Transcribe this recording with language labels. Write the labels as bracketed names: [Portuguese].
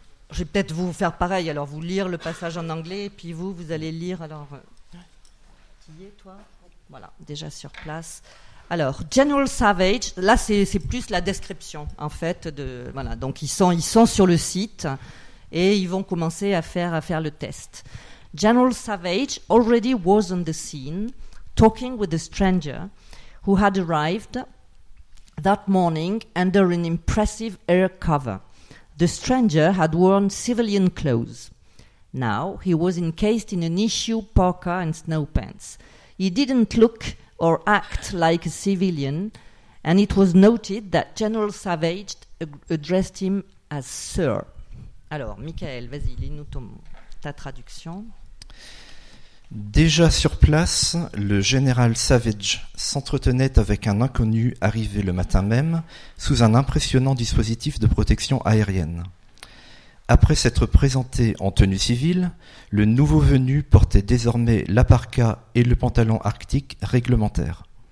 [French] Je vais peut-être vous faire pareil, alors vous lire le passage en anglais, et puis vous allez lire, alors... Qui est, toi ? Voilà, déjà sur place. Alors, General Savage, là, c'est plus la description, en fait, de... Voilà, donc ils sont sur le site, et ils vont commencer à faire le test. [English] General Savage already was on the scene, talking with a stranger who had arrived that morning under an impressive air cover. The stranger had worn civilian clothes. Now he was encased in an issue parka and snow pants. He didn't look or act like a civilian, and it was noted that General Savage addressed him as Sir. [French] Alors, Michael, vas-y, lis-nous ta traduction. Déjà sur place, le général Savage s'entretenait avec un inconnu arrivé le matin même sous un impressionnant dispositif de protection aérienne. Après s'être présenté en tenue civile, le nouveau venu portait désormais la parka et le pantalon arctique réglementaire.